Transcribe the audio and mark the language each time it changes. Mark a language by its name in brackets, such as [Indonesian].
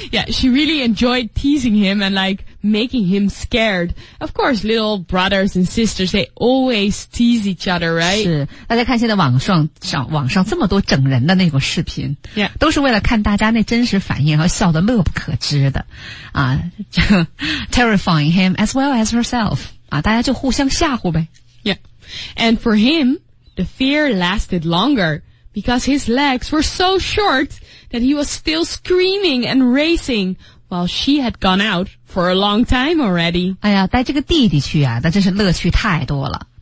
[English] Yeah, she really enjoyed teasing him and like making him scared. Of course, little brothers and sisters, they always tease each other, right? [Chinese] 是，大家看现在网上这么多整人的那种视频 [English] Yeah. [Chinese] 都是为了看大家那真实反应和笑得乐不可支的啊 [English] terrifying him as well as herself. [Chinese] 啊，大家就互相吓唬呗 [English] Yeah. And for him, the fear lasted longer. Because his legs were so short that he was still screaming and racing while she had gone out for a long time already. [Chinese] 哎呀，带这个弟弟去啊，那真是乐趣太多了。